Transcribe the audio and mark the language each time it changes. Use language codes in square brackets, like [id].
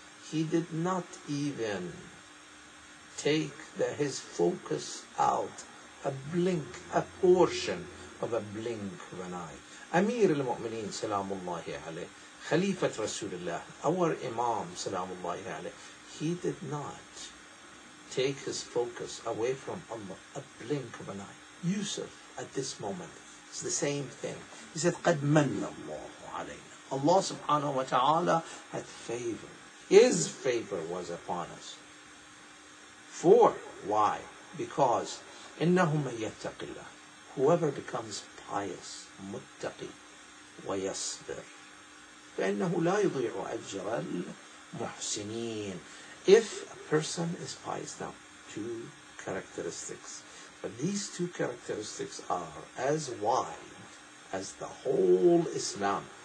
[en] He did not even take his focus out a blink, a portion of a blink of an eye. Amir al-Mu'mineen salamullahi alayhi, Khalifat Rasulullah, our Imam salamullahi alayhi, he did not take his focus away from Allah, a blink of an eye. Yusuf, at this moment, is the same thing. He said, [ar] قَدْ مَنَّ اللَّهُ عَلَيْنَا. [en] Allah subhanahu wa ta'ala had favor. His favor was upon us. For, why? Because, [ar] إِنَّهُ مَنْ يَتَّقِ اللَّهُ. [en] Whoever becomes pious, مُتَّقِي, [ar] وَيَصْبِرْ. فَإِنَّهُ لَا يُضِيعُ أَجْرَ الْمُحْسِنِينَ. [en] If a person is pious, now, two characteristics. But these two characteristics are as wide as the whole Islam.